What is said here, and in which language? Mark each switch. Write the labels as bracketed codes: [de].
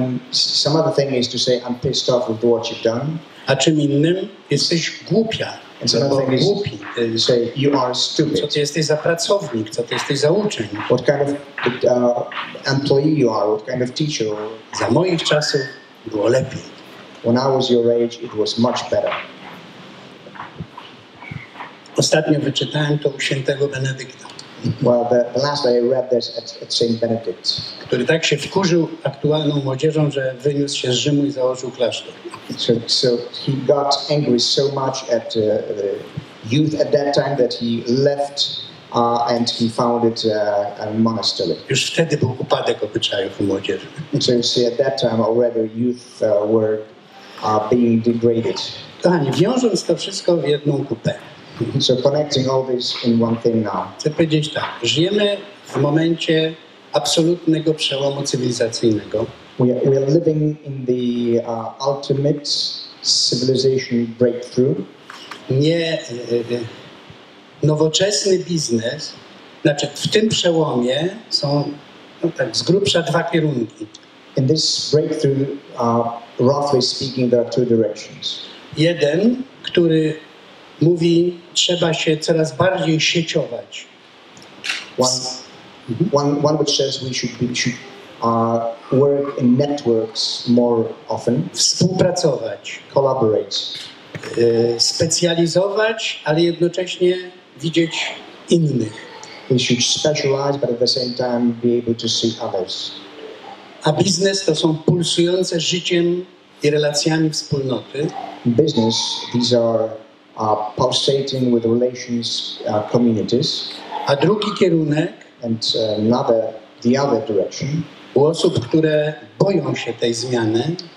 [en] Some other thing is to say, I'm pissed off with what you've done. [pl] A czym innym, jesteś głupia. [en] And some other thing [pl] głupi. [en] Is say, you are stupid. [pl] Co ty jesteś za pracownik, co ty jesteś za uczeń. [en] What kind of employee you are, what kind of teacher. [pl] Za moich czasów było lepiej. [en] When I was your age, it was much better. [pl] Ostatnio wyczytałem to u świętego Benedykta. [en] Well, the last day I read this at St. Benedict. [pl] Który tak się wkurzył aktualną młodzieżą, że wyniósł się z Rzymu i założył klasztor. [en] So he got angry so much at the youth at that time that he left and he founded a monastery. [pl] Już wtedy był upadek obyczajów u młodzieży. [en] So you see, at that time already youth were being degraded. [pl] Kochani, wiążąc to wszystko w jedną kupę. [en] So connecting all this in one thing now. [pl] Chcę powiedzieć tak. Żyjemy w momencie absolutnego przełomu cywilizacyjnego. [en] We are living in the ultimate civilization breakthrough. [pl] Nie nowoczesny biznes, znaczy w tym przełomie są tak z grubsza dwa kierunki. [en] In this breakthrough, roughly speaking, there are two directions. [pl] Jeden, który mówi, trzeba się coraz bardziej sieciować. [en] One which says we should work in networks more often. [pl] Współpracować. [en] Collaborate. [pl] Specjalizować, ale jednocześnie widzieć innych. [en] We should specialize, but at the same time be able to see others. [pl] A biznes to są pulsujące życiem i relacjami wspólnoty. [en] Business, these are pulsating with relations, communities. [pl] A drugi kierunek, [en] and another, the other direction, [pl] u osób, które boją się tej zmiany,